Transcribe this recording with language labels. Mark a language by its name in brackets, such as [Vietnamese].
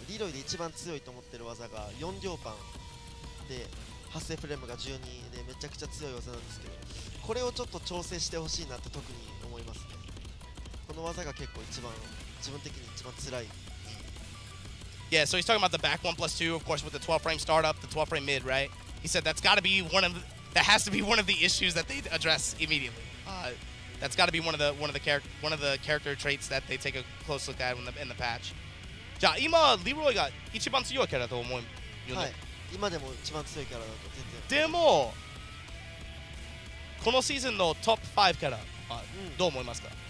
[Japanese] Leroy で一番強いと思ってる技が4秒パンで 発生フレームが12でめちゃくちゃ強い技なんですけど、これをちょっと調整してほしいなって特に思いますね。この技が結構一番自分的に一番辛い。 [English] Yeah, so he's talking about the back 1+2, of course, with the 12 frame startup, the 12 frame mid, right? He said that's got to be one of the, that has to be one of the issues that they address immediately. That's got to be one of the character traits that they take a close look at in the patch. [Japanese] じゃあ今リロイが一番強いキャラだと思うよね。はい。今でも一番強いキャラだと全然。でも、このシーズンのトップ5キャラ、どう思いますか?